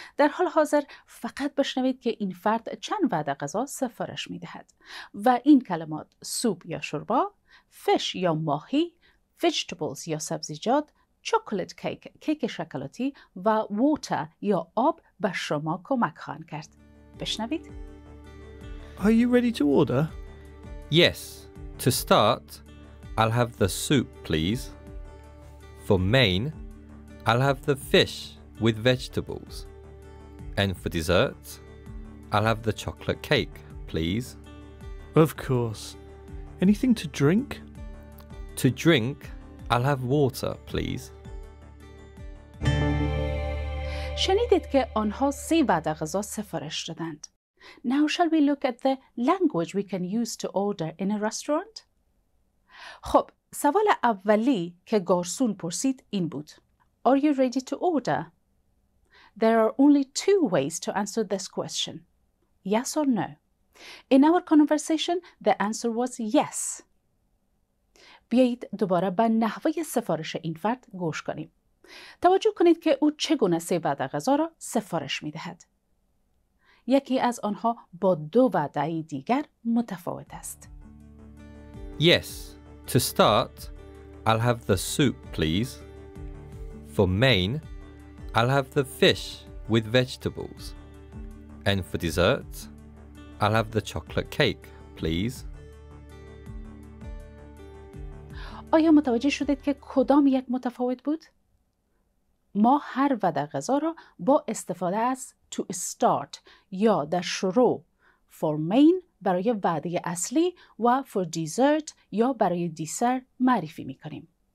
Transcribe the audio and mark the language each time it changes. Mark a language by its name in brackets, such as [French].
[Persian] در حال حاضر فقط بشنوید که این فرد چند وعده غذا سفارش میدهد و این کلمات سوپ یا شوربا، فش یا ماهی، ویجیتبلز یا سبزیجات، چوکلت کیک شکلاتی و ووتر یا آب به شما کمک خواهند کرد. بشنوید. [English] Are you ready to order? Yes, to start I'll have the soup, please. For main, I'll have the fish with vegetables. And for dessert, I'll have the chocolate cake, please. Of course. Anything to drink? To drink, I'll have water, please. [Persian] شنیدید که آنها سه وعده غذا سفارش دادند. [English] Now shall we look at the language we can use to order in a restaurant? [Persian] خب، سوال اولی که گارسون پرسید این بود. [English] Are you ready to order? There are only two ways to answer this question. Yes or no? In our conversation, the answer was yes. [Persian] بیایید دوباره به نحوه سفارش این فرد گوش کنیم. توجه کنید که او چگونه سه وعده غذا را سفارش می دهد. یکی از آنها با دو وعده دیگر متفاوت است. [English] Yes. To start, I'll have the soup, please. For main, I'll have the fish with vegetables. And for dessert, I'll have the chocolate cake, please. [Persian] آیا متوجه شدید که کدام یک متفاوت بود؟ ما هر وعده غذا را با استفاده از [English] to start [Persian] یا در شروع [English] for main [Persian] برای وعده اصلی و [English] for dessert [Persian] یا برای دیسر معرفی می کنیم.